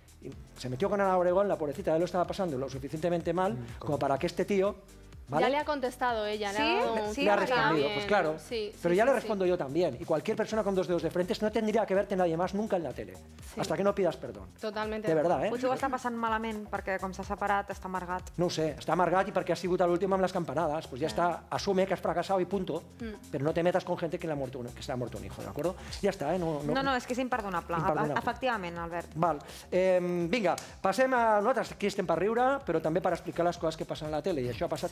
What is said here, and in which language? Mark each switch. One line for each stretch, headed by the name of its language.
Spanish: Y se metió con Ana Obregón, la pobrecita, ya lo estaba pasando lo suficientemente mal como para que este tío... ¿Vale? Ya le ha contestado ella, ¿sí? Le ha, sí, le ha respondido, pues claro. Sí, sí, pero ya sí, le respondo yo también. Y cualquier persona con dos dedos de frente no tendría que verte nadie más nunca en la tele. Sí. Hasta que no pidas perdón. Totalmente. De verdad, ¿eh?
Catalan: Potser ho està passant malament perquè com s'ha separat està amargat. No ho sé, està amargat i perquè ha sigut a l'últim amb les campanades.
Spanish: Pues ya está, asume que has fracasado y punto. Pero no te metas con gente que, se ha muerto un hijo, ¿de acuerdo? Ya está, ¿eh? No, es que es imperdonable. Imperdonable.
Catalan: Efectivament, Albert. Val. Vinga, passem a nosaltres. Aquí estem per riure, però també per explicar les coses que passen a la tele. I això ha passat